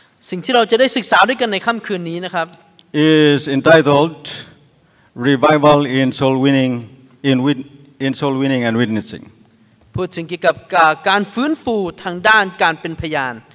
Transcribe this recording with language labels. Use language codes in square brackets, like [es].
[th] สิ่งที่เราจะได้ศึกษาด้วยกันในค่ําคืนนี้นะครับ [en] is entitled revival in soul winning in soul winning and witnessing [th] พูดถึงเกี่ยวกับการฟื้นฟูทางด้านการเป็นพยาน